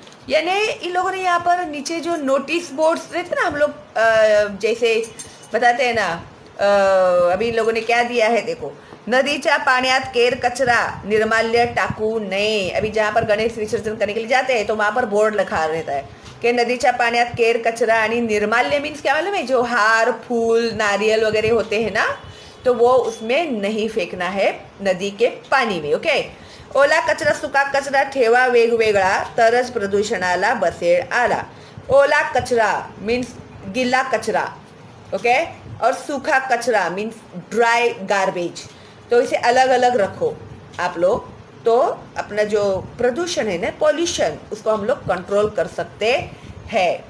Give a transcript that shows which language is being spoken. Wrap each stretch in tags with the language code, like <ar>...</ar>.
<hi>यानी इन लोगों ने यहाँ पर नीचे जो नोटिस बोर्ड्स रहते ना, हम लोग जैसे बताते हैं ना, अभी इन लोगों ने क्या दिया है देखो,</hi> <mr>नदीचा पाण्यात केर कचरा निर्माल्य टाकू नये।</mr> <hi>अभी जहाँ पर गणेश विसर्जन करने के लिए जाते हैं तो वहाँ पर बोर्ड लिखा रहता है कि</hi> <mr>नदीचा पाण्यात केर कचरा आणि निर्माल्य,</mr> <hi>मीन्स क्या मालूम है, जो हार, फूल, नारियल वगैरह होते हैं ना, तो वो उसमें नहीं फेंकना है नदी के पानी में, ओके।</hi> <mr>ओला कचरा सुका कचरा ठेवा वेगवेगळा तरच प्रदूषणाला बसेळ आला।</mr> <hi>ओला कचरा मीन्स गिला कचरा, ओके, और सूखा कचरा मीन्स ड्राई गार्बेज। तो इसे अलग अलग रखो आप लोग, तो अपना जो प्रदूषण है ना, पॉल्यूशन, उसको हम लोग कंट्रोल कर सकते हैं।</hi>